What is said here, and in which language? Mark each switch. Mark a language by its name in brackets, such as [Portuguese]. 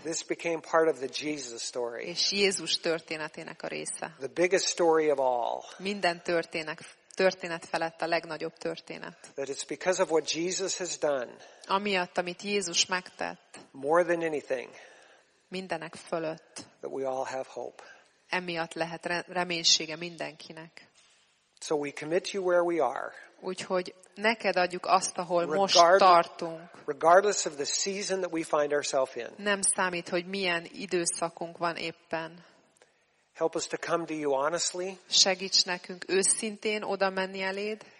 [English] This became part of the Jesus story. [Hungarian] És Jézus történetének a része. [English] The biggest story of all. [Hungarian] Minden történet felett a legnagyobb történet. [English] That it's because of what Jesus has done. [Hungarian] Amiatt, amit Jézus megtett. [English] More than anything. [Hungarian] Mindenek fölött. [English] That we all have hope. [Hungarian] Emiatt lehet reménysége mindenkinek. [English] So we commit you where we are. [Hungarian] Úgyhogy neked adjuk azt, ahol most tartunk. [English] Regardless of the season that we find ourselves in. [Hungarian] Nem számít, hogy milyen időszakunk van éppen. [English] Help us to come to you honestly. [Hungarian] Segíts nekünk őszintén oda menni eléd.